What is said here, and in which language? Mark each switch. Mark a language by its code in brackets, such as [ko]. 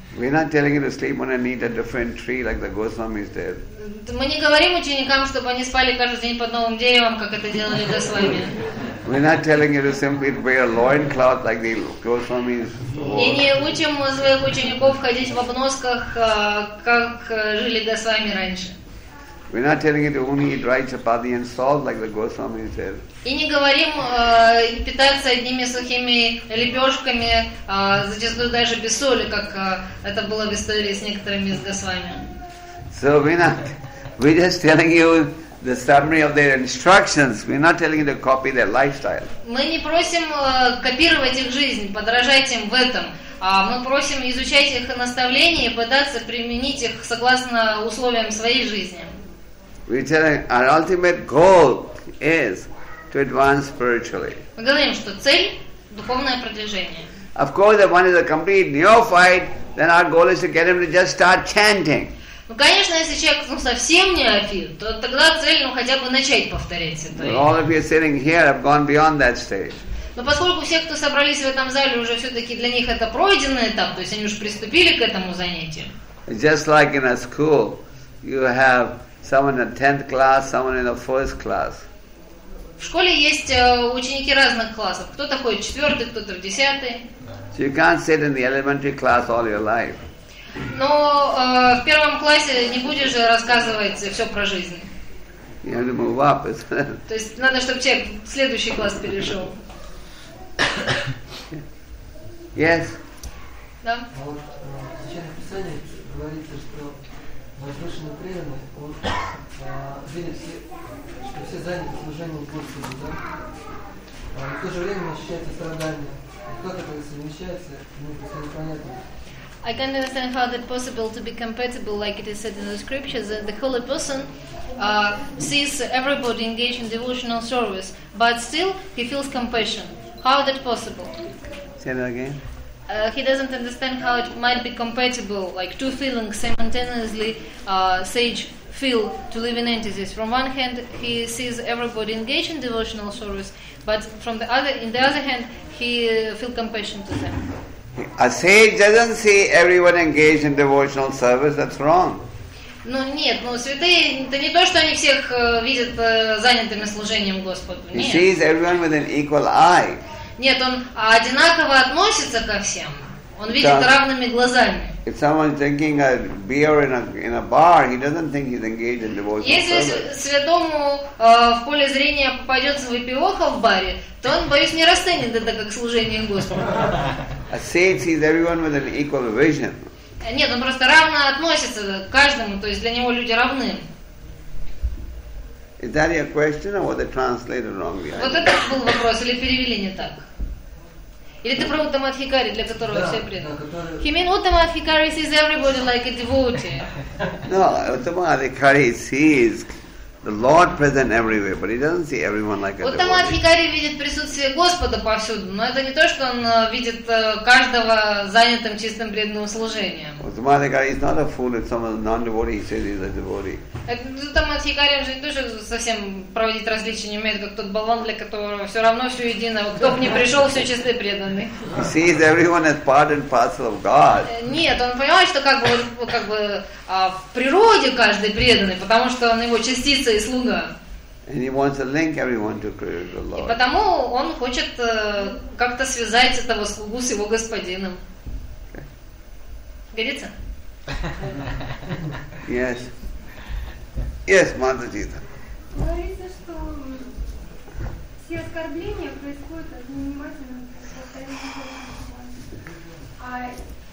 [en] We're not telling you to sleep on and eat a different tree like the Goswami's did. [ru] Мы не говорим ученикам, чтобы они спали каждый день под новым деревом, как это делали Госвами. [en] We're not telling you to simply wear loincloth like the Goswami's. [ru] И не учим своих учеников ходить в обносках, как жили Госвами раньше. [en] We're not telling you to only eat dry chapati and salt like the Goswami said. [ru] И не говорим питаться одними сухими лепешками, зачастую даже без соли, как это было в истории с некоторыми из Госвами. [en] So we're just telling you the summary of their instructions. We're not telling you to copy their lifestyle. [ru] Мы не просим копировать их жизнь, подражать им в этом. Мы просим изучать их наставления и пытаться применить их согласно условиям своей жизни. [en] We tell you, our ultimate goal is to advance spiritually. [ru] Мы говорим, что цель духовное продвижение. [en] Of course, if one is a complete neophyte, then our goal is to get him to just start chanting. [ru] Ну, конечно, если человек ну, совсем не афит, то тогда цель ну, хотя бы начать повторять святое. Но поскольку все, кто собрались в этом зале, уже все-таки для них это пройденный этап, то есть они уже приступили к этому занятию. [en] Just like in a school, you have someone in the 10th class, someone in the 4th class. [ru] В школе есть ученики разных классов. Кто-то ходит в 4-й, кто-то в 10-й. [en] So you can't sit in the elementary class all your life. [ru] Но в первом классе не будешь же рассказывать все про жизнь. [en] You have to move up. [ru] То есть надо, чтобы человек в следующий класс перешел. [en] Yes. [ru] Да. А вот в Священном Писании говорится, что возвышенный преданный, он видит все, что все заняты служением Господу, да? А в то же время ощущается страдание. И как это совмещается, ну, все понятно. [en] I can't understand how that possible to be compatible, like it is said in the scriptures, that the holy person sees everybody engaged in devotional service, but still he feels compassion. How is that possible? Say that again. He doesn't understand how it might be compatible, like two feelings simultaneously sage feel to living entities. From one hand, he sees everybody engaged in devotional service, but from the other, in the other hand, he feels compassion to them. A sage doesn't see everyone engaged in devotional service. That's wrong. [ru] Ну нет, ну святые, это не то, что они всех видят занятыми служением Господу. [en] He sees everyone with an equal eye. [ru] Нет, он одинаково относится ко всем. Он видит равными глазами. [en] If someone's drinking a beer in a bar, he doesn't think he's engaged in devotional service. [ru] Если святому в поле зрения попадется выпивоха в баре, то он, боюсь, не расценит это как служение Господу. [en] A saint sees everyone with an equal vision. [ru] Нет, он просто равно относится к каждому, то есть для него люди равны. [en] Is that your question or was it translated wrongly? [ru] Вот это был вопрос, или перевели не так? Или ты про Уттамадхикари, для которого все преданы? [en] He means Уттамадхикари sees everybody like a devotee. No, Уттамадхикари sees the Lord present everywhere, but he doesn't see everyone like a devotee. [ru] Уттамадхикари видит присутствие Господа повсюду, но это не то, что он видит каждого занятым чистым преданным служением. [en] Уттамадхикари is not a fool. If someone is non-devotee, he says he's a devotee. [ru] Уттамадхикари же не то, что совсем проводить различия не умеет, как тот болван, для которого все равно все едино. Кто бы ни пришел, все чистые преданные. [en] He sees everyone as part and parcel of God. [ru] Нет, он понимает, что как бы в природе каждый преданный, потому что он его частиц. [en] And he wants to link everyone to the Lord. [ru] И потому он хочет как-то связать этого слугу с его господином. Годится? [en] Yes. Yes, Mother Jita. [ru] Говорится, что все оскорбления происходят от невнимательности.